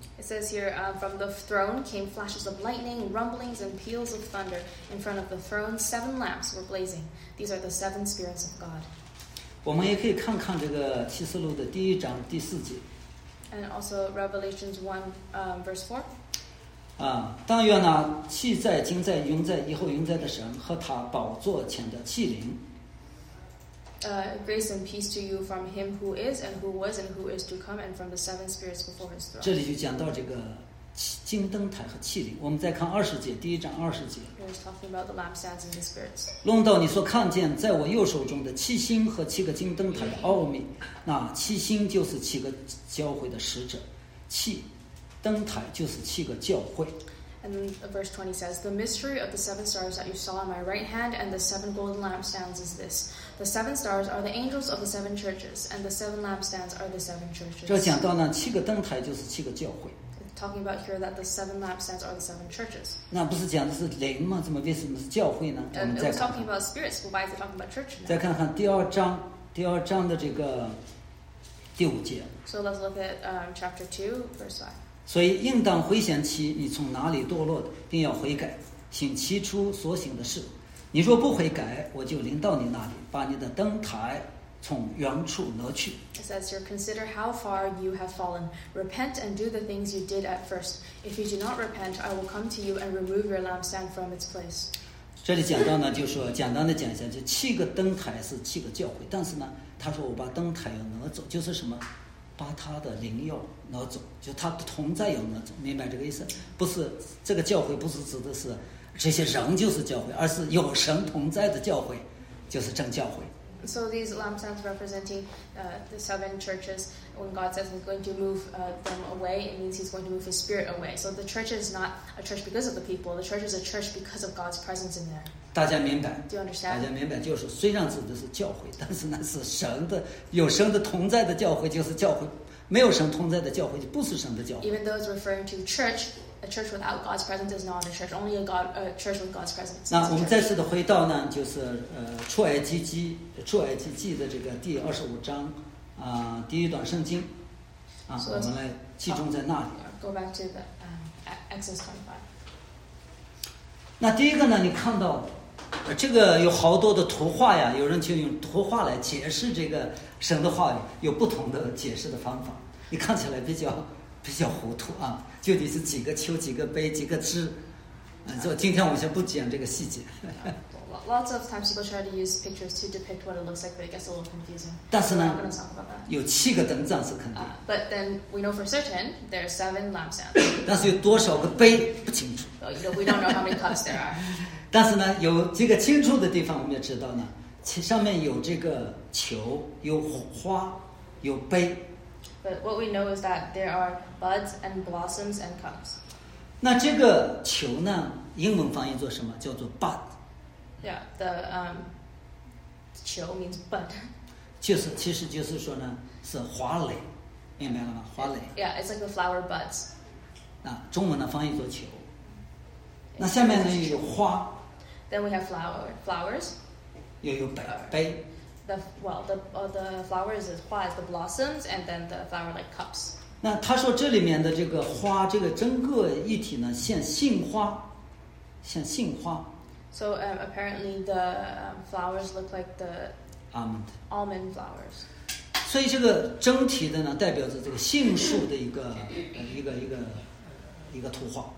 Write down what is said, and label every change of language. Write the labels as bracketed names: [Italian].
[English] It says here, from the throne came flashes of lightning, rumblings, and peals of thunder. In front of the throne, seven lamps were blazing. These are the seven spirits of God. [Chinese] 我们也可以看看这个启示录的第一章第四节。 [English] And also Revelations 1:4. [Chinese] 啊，但愿那气在、今在、永在、以后永在的神和他宝座前的器灵。 [English] Grace and peace to you from him who is and who was and who is to come and from the seven spirits before his throne. [Chinese] 这里就讲到这个金灯台和器灵。我们再看二十节，第一章二十节。 [English] We're talking about the lampstands and the spirits. [Chinese] 论到你所看见在我右手中的七星和七个金灯台的奥秘，那七星就是七个教会的使者，七灯台就是七个教会。 [English] And verse 20 says, the mystery of the seven stars that you saw on my right hand and the seven golden lampstands is this. The seven stars are the angels of the seven churches, and the seven lampstands are the seven churches. [Chinese] 这讲到呢，七个灯台就是七个教会。 [English] Talking about here that the seven lampstands are the seven churches. [Chinese] 那不是讲的是灵吗？怎么为什么是教会呢？我们再看。 [English] It was talking about spirits, but why is it talking about church now? [Chinese] 再看看第二章的这个第五节。 [English] So let's look at chapter 2, verse 5. [Chinese] 所以应当回想起你从哪里堕落的，并要悔改，行起初所行的事。你若不悔改，我就临到你那里，把你的灯台从原处挪去。 [English] It says here, consider how far you have fallen. Repent and do the things you did at first. If you do not repent, I will come to you and remove your lampstand from its place. [Chinese] 这里讲到呢，就说简单的讲一下，就七个灯台是七个教会，但是呢，他说我把灯台要挪走，就是什么？把他的灵要挪走，就他的同在要挪走，明白这个意思？不是这个教会，不是指的是这些人就是教会，而是有神同在的教会，就是真教会。 [English] So these lampstands representing the seven churches, when God says He's going to move them away, it means He's going to move His Spirit away. So the church is not a church because of the people; the church is a church because of God's presence in there. [Chinese] 大家明白？ [English] Do you understand? [Chinese] 大家明白，就是虽然指的是教会，但是那是神的有神的同在的教会，就是教会；没有神同在的教会，就不是神的教会。 [English] Even though it's referring to church, a church without God's presence is not a church. Only a church with God's presence. [Chinese] 那我们再次的回到呢，就是出埃及记的这个第二十五章第一段圣经 [English] so、 [Chinese] 我们来集中在那里。 [English] Go back to the Exodus 25。 [Chinese] 那第一个呢，你看到这个有好多的图画呀，有人就用图画来解释这个神的话语，有不同的解释的方法，你看起来比较糊涂啊，究竟是几个丘、几个碑、几个枝，所以今天我先不讲这个细节。 [English] Lots of times people try to use pictures to depict what it looks like, but it gets a little confusing. [Chinese] 但是呢， [English] we're not going to talk about that. [Chinese] 有七个灯帐是肯定。 [English] But then we know for certain there are seven lampstands. [Chinese] 但是有多少个杯不清楚。 [English] We don't know how many cups there are. [Chinese] 但是呢，有这个清楚的地方，我们也知道呢，上面有这个球，有花，有杯。 [English] But what we know is that there are buds and blossoms and cups. [Chinese] 那这个球呢，英文翻译做什么？叫做 bud。 [English] Yeah, the 球 means bud. [Chinese] 就是其实就是说呢，是花蕾，明白了吗？花蕾。 [English] Yeah, it's like the flower buds. [Chinese] 那中文呢翻译做球。那下面呢有花。 [English] Then we have flowers. [Chinese] 又有杯。 [English] The flowers is 花 is the blossoms and then the flower like cups. [Chinese] 那他说这里面的这个花，这个整个一体呢，像杏花，像杏花。 [English] So apparently the flowers look like the almond flowers. [Chinese] 所以这个整体的呢，代表着这个杏树的一个图画。